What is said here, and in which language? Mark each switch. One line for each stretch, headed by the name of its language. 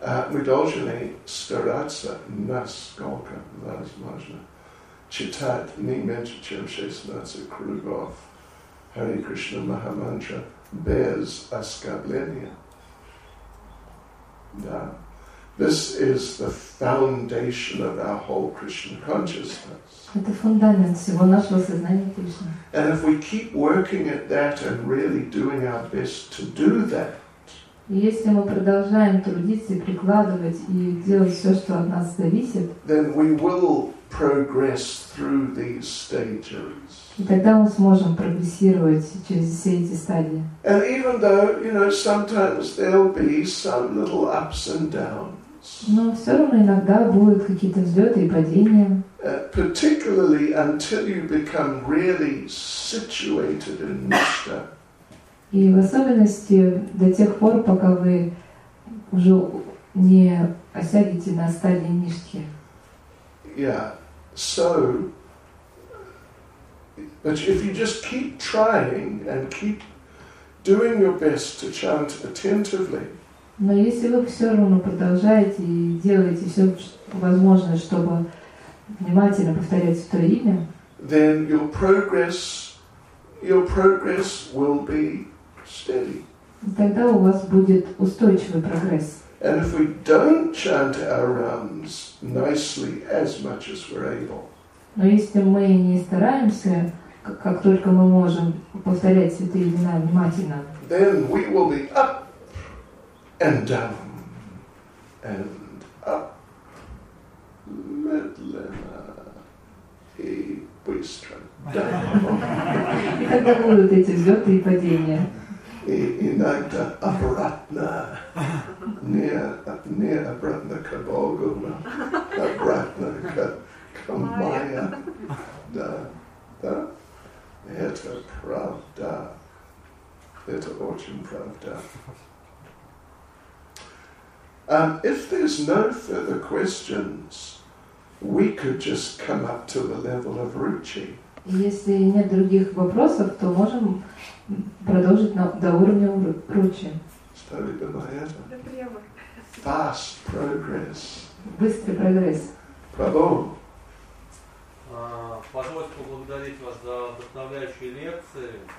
Russian: Мы должны стараться насколько возможно читать не меньше, чем 16 кругов Хари Кришна Махамантра без оскорбления. Да.
English: This is the foundation of our whole Krishna consciousness.
Russian: Это фундамент всего нашего сознания Кришны.
English: And if we keep working at that and really doing our best to do that,
Russian: Если мы продолжаем трудиться, прикладывать и делать все, что от нас зависит,
English: then we will progress through these stages.
Russian: И тогда мы сможем прогрессировать через все эти стадии.
English: And even though, you know, sometimes there'll be some little ups and downs.
Russian: Но все равно иногда будут какие-то взлеты и падения.
English: Particularly until you become really situated in Nishta.
Russian: И в особенности до тех пор, пока вы уже не осядете на стадии ништхи.
English: Yeah. So, but if you just keep trying and keep doing your best to chant attentively.
Russian: Но если вы все равно продолжаете и делаете все возможное, чтобы внимательно повторять это имя,
English: then your progress will be steady.
Russian: Тогда у вас будет устойчивый прогресс.
English: And if we don't chant our rounds nicely as much as we're able.
Russian: Но если мы не стараемся, как только мы можем повторять святые имена внимательно,
English: then we will be up and down and up.
Russian: Медленно и быстро. И тогда будут эти взлеты и падения. И иногда обратно, не обратно к Богу, но обратно к Майя. Да, да, это правда, это очень правда.
English: If there's no further questions, we could just come up to the level of Ruchi.
Russian: Если нет других вопросов, то можем продолжить до уровня Ручи. Спасибо за это.
English: Fast progress.
Russian: Быстрый прогресс. Прабху. Позвольте поблагодарить вас за вдохновляющие лекции.